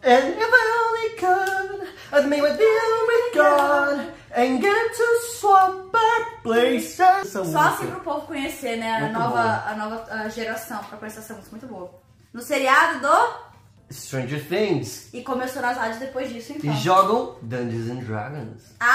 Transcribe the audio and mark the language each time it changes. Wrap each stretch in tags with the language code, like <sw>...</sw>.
<en>And if I only could, I'd make my deal with God. And get to swap our places.</en> <pt>Só assim pro povo conhecer, né? A nova geração pra conhecer essa música. Muito boa. No seriado do...</pt> <en>Stranger Things.</en> <pt>E começou nas rádios depois disso, então. E jogam Dungeons and Dragons.</pt>